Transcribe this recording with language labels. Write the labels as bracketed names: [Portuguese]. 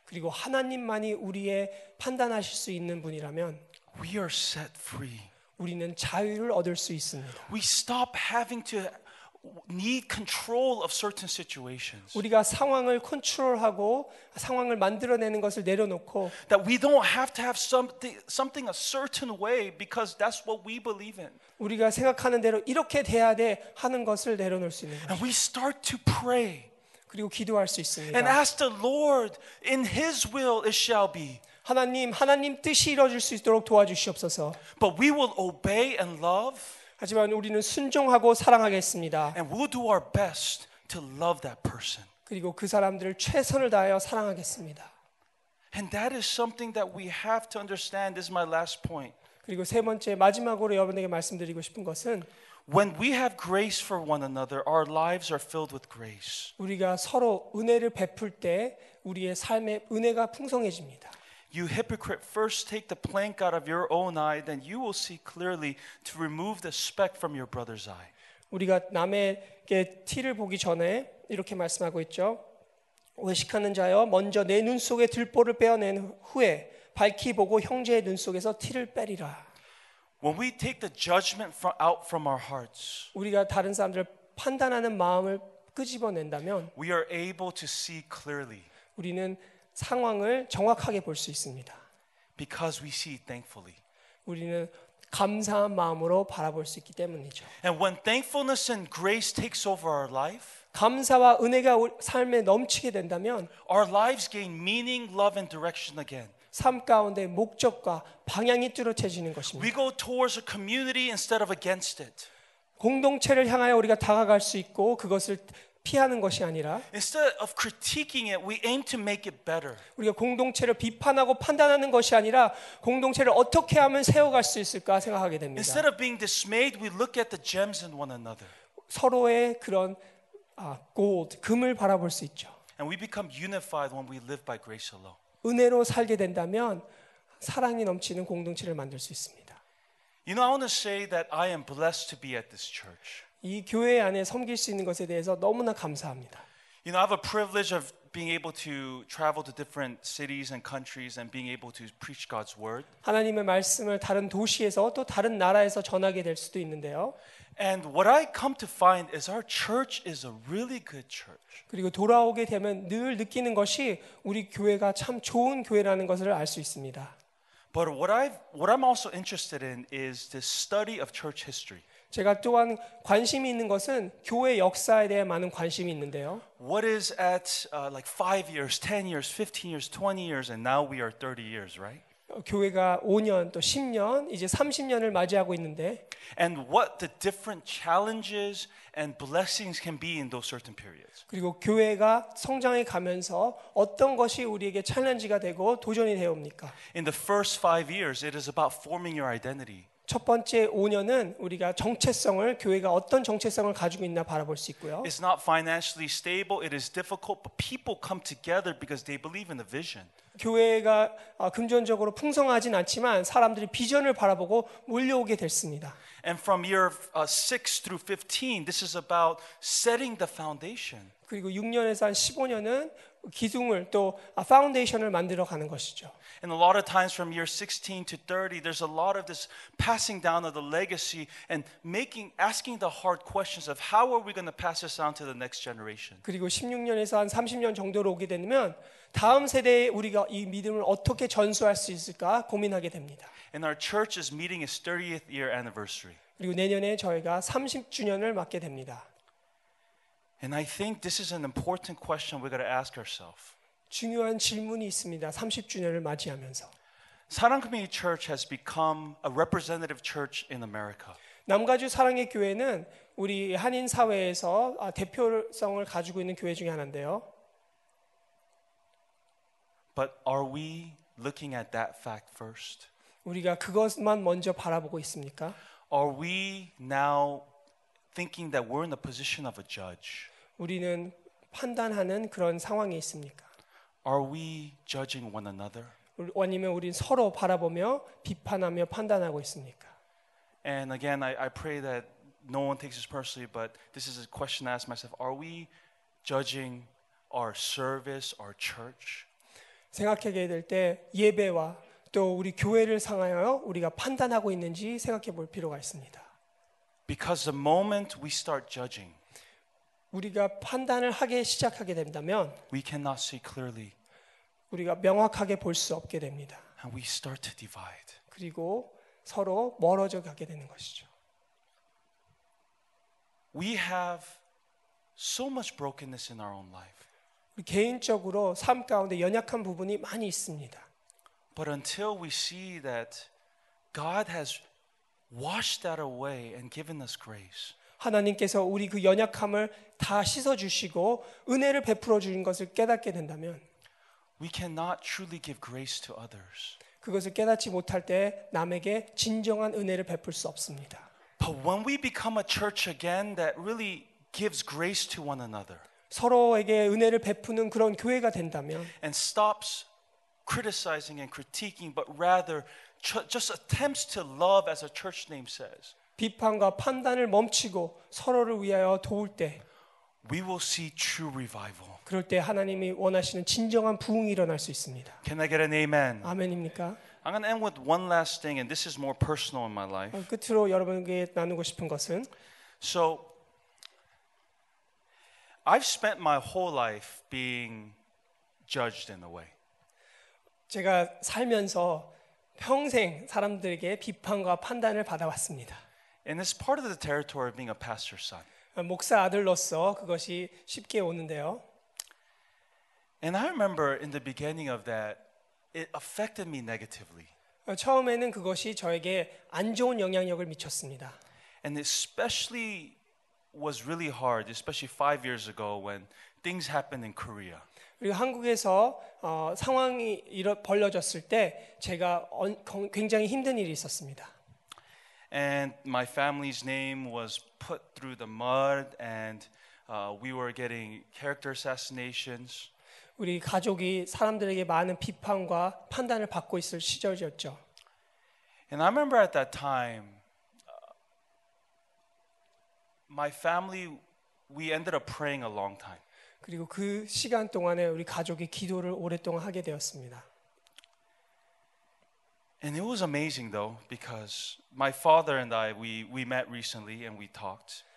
[Korean] 그리고 하나님만이 우리의 판단하실 수 있는 분이라면 [English] we are set free. [Korean] 우리는 자유를 얻을 수 있습니다. [English] We stop having to need control of certain situations. [Korean] 우리가 상황을 컨트롤하고 상황을 만들어내는 것을 내려놓고 [English] that we don't have to have something a certain way because that's what we believe in. [Korean] 우리가 생각하는 대로 이렇게 돼야 돼 하는 것을 내려놓을 수 있는 거죠. [English] And we start to pray. [Korean] 그리고 기도할 수 있습니다. [English] And ask the Lord in His will it shall be. [Korean] 하나님 뜻이 이루어질 수 있도록 도와주시옵소서. [English] But we will obey and love. [Korean] 하지만 우리는 순종하고 사랑하겠습니다. [English] And we'll do our best to love that person. [Korean] 그리고 그 사람들을 최선을 다하여 사랑하겠습니다. [English] And that is something that we have to understand. This is my last point. [Korean] 그리고 세 번째 마지막으로 여러분에게 말씀드리고 싶은 것은 [English] When we have grace for one another, our lives are filled with grace. [Korean] 우리가 서로 은혜를 베풀 때 우리의 삶에 은혜가 풍성해집니다. [English] You hypocrite, first take the plank out of your own eye, then you will see clearly to remove the speck from your brother's eye. [Korean] 우리가 남에게 티를 보기 전에 이렇게 말씀하고 있죠. 외식하는 자여, 먼저 내 눈 속에 들보를 빼어낸 후에 밝히 보고 형제의 눈 속에서 티를 빼리라. [English] When we take the judgment out from our hearts, [Korean] 우리가 다른 사람들을 판단하는 마음을 끄집어낸다면, [English] we are able to see clearly. [Korean] 우리는 상황을 정확하게 볼 수 있습니다. [English] Because we see thankfully. [Korean] 우리는 감사한 마음으로 바라볼 수 있기 때문이죠. [English] And when thankfulness and grace takes over our life, [Korean] 감사와 은혜가 삶에 넘치게 된다면 [English] our lives gain meaning, love and direction again. [Korean] 삶 가운데 목적과 방향이 뚜렷해지는 것입니다. [English] We go towards a community instead of against it. [Korean] 공동체를 향하여 우리가 다가갈 수 있고 그것을 피하는 것이 아니라 [English] Instead of critiquing it, we aim to make it better. [Korean] 우리가 공동체를 비판하고 판단하는 것이 아니라 공동체를 어떻게 하면 세워갈 수 있을까 생각하게 됩니다. [English] Instead of being dismayed, we look at the gems in one another. [Korean] 서로의 그런 gold, 금을 바라볼 수 있죠. [English] And we become unified when we live by grace alone. [Korean] 은혜로 살게 된다면 사랑이 넘치는 공동체를 만들 수 있습니다. [English] You know, I want to say that I am blessed to be at this church. [Korean] 이 교회 안에 섬길 수 있는 것에 대해서 너무나 감사합니다. [English] You know, I have a privilege of being able to travel to different cities and countries and being able to preach God's word. [Korean] 하나님의 말씀을 다른 도시에서 또 다른 나라에서 전하게 될 수도 있는데요. [English] And what I come to find is our church is a really good church. [Korean] 그리고 돌아오게 되면 늘 느끼는 것이 우리 교회가 참 좋은 교회라는 것을 알 수 있습니다. [English] But what I'm also interested in is the study of church history. [Korean] 제가 또한 관심이 있는 것은 교회 역사에 대해 많은 관심이 있는데요. [English] What is at like 5 years, 10 years, 15 years, 20 years and now we are 30 years, right? [Korean] 교회가 5년 또 10년 이제 30년을 맞이하고 있는데 [English] And what the different challenges and blessings can be in those certain periods. [Korean] 그리고 교회가 성장해 가면서 어떤 것이 우리에게 챌린지가 되고 도전이 되옵니까? [English] In the first 5 years it is about forming your identity. [Korean] 첫 번째 5년은 우리가 정체성을 교회가 어떤 정체성을 가지고 있나 바라볼 수 있고요. [English] It's not financially stable. It is difficult, but people come together because they believe in the vision. [Korean] 교회가 금전적으로 풍성하진 않지만 사람들이 비전을 바라보고 몰려오게 됐습니다. [English] And from year 6 through 15, this is about setting the foundation. [Korean] 그리고 6년에서 한 15년은 기둥을 또 파운데이션을 만들어 가는 것이죠. [English] And a lot of times from year 16 to 30, there's a lot of this passing down of the legacy and making, asking the hard questions of how are we going to pass this on to the next generation. [Korean] 그리고 16년에서 한 30년 정도로 오게 되면 다음 세대에 우리가 이 믿음을 어떻게 전수할 수 있을까 고민하게 됩니다. [English] And our church is meeting its 30th year anniversary. [Korean] 그리고 내년에 저희가 30주년을 맞게 됩니다. [English] And I think this is an important question we got to ask ourselves. [Korean] 중요한 질문이 있습니다. 30주년을 맞이하면서. [English] 사랑 커뮤니티 처치 has become a representative church in America. [Korean] 남가주 사랑의 교회는 우리 한인 사회에서 대표성을 가지고 있는 교회 중에 하나인데요. [English] But are we looking at that fact first? [Korean] 우리가 그것만 먼저 바라보고 있습니까? [English] Are we now thinking that we're in the position of a judge? [Korean] 우리는 판단하는 그런 상황에 있습니까? [English] Are we judging one another? [Korean] 아니면 우린 서로 바라보며 비판하며 판단하고 있습니까? [English] And again, I pray that no one takes this personally, but this is a question I ask myself. Are we judging our service, our church? [Korean] 생각하게 될 때 예배와 또 우리 교회를 상하여 우리가 판단하고 있는지 생각해 볼 필요가 있습니다. [English] Because the moment we start judging, [Korean] 우리가 판단을 하게 시작하게 된다면 [English] we cannot see clearly. [Korean] 우리가 명확하게 볼 수 없게 됩니다. [English] And we start to divide. [Korean] 그리고 서로 멀어져 가게 되는 것이죠. [English] We have so much brokenness in our own life. [Korean] 우리 개인적으로 삶 가운데 연약한 부분이 많이 있습니다. [English] But until we see that God has washed that away and given us grace. [Korean] 하나님께서 우리 그 연약함을 다 씻어 주시고 은혜를 베풀어 주신 것을 깨닫게 된다면 [English] We cannot truly give grace to others. [Korean] 그것을 깨닫지 못할 때 남에게 진정한 은혜를 베풀 수 없습니다. [English] But when we become a church again that really gives grace to one another. [Korean] 서로에게 은혜를 베푸는 그런 교회가 된다면 [English] and stops criticizing and critiquing but rather just attempts to love as a church name says. [Korean] 비판과 판단을 멈추고 서로를 위하여 도울 때 [English] We will see true revival. [Korean] 그럴 때 하나님이 원하시는 진정한 부흥이 일어날 수 있습니다. [English] Can I get an amen? [Korean] 아멘입니까? [English] I'm going to end with one last thing, and this is more personal in my life. [Korean] 끝으로 여러분에게 나누고 싶은 것은 [English] So, I've spent my whole life being judged in a way. [Korean] 제가 살면서 평생 사람들에게 비판과 판단을 받아왔습니다. [English] And it's part of the territory of being a pastor's son. [Korean] 목사 아들로서 그것이 쉽게 오는데요. [English] And I remember in the beginning of that, it affected me negatively. [Korean] 처음에는 그것이 저에게 안 좋은 영향력을 미쳤습니다. [English] And especially was really hard, especially 5 years ago when things happened in Korea. [Korean] 그리고 한국에서 상황이 벌어졌을 때 제가 굉장히 힘든 일이 있었습니다. [English] And my family's name was put through the mud, and we were getting character assassinations. [Korean] 우리 가족이 사람들에게 많은 비판과 판단을 받고 있을 시절이었죠. [English] And I remember at that time, my family, we ended up praying a long time. [Korean] 그리고 그 시간 동안에 우리 가족이 기도를 오랫동안 하게 되었습니다. [English] And it was amazing though, because my father and I, we met recently and we talked.